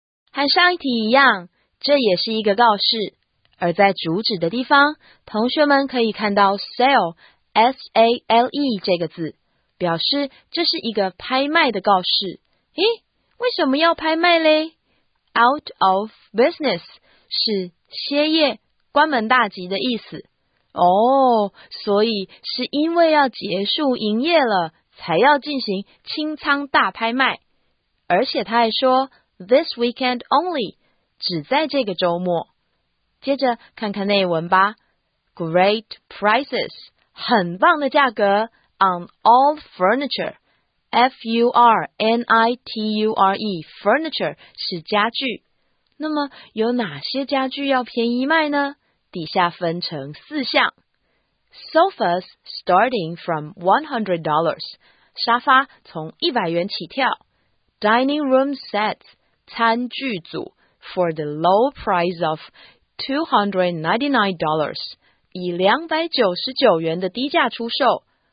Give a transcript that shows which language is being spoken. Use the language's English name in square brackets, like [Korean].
[Chinese] 和上一题一样这也是一个告示而在主旨的地方同学们可以看到 sale S-A-L-E 这个字表示这是一个拍卖的告示咦为什么要拍卖勒 [English] Out of business [Chinese] 是歇业、关门大吉的意思。哦，所以是因为要结束营业了，才要进行清仓大拍卖。而且他还说 ， [English] this weekend only， [Chinese] 只在这个周末。接着看看内文吧。 [English] Great prices， [Chinese] 很棒的价格 [English] ，on all furniture。 [Chinese] F-U-R-N-I-T-U-R-E Furniture 是家具那么有哪些家具要便宜卖呢底下分成四项 [English] Sofas starting from $100 [Chinese] 沙发从100元起跳 [English] Dining room sets [Chinese] 餐具组 [English] For the low price of $299 [Chinese] 以299元的低价出售